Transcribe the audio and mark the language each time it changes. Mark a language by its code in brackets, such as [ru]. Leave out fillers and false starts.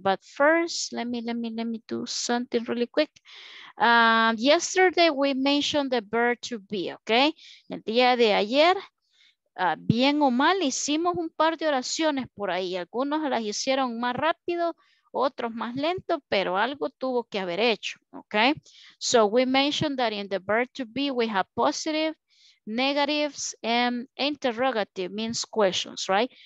[en] But first, let me do something really quick. Yesterday we mentioned the verb to be. [es] Okay, el día de ayer, bien o mal, hicimos un par de oraciones por ahí. Algunos las hicieron más rápido, otros más lento, pero algo tuvo que haber hecho, okay? [en] So we mentioned that in the verb to be, we have positive, negatives, and interrogative means questions, right?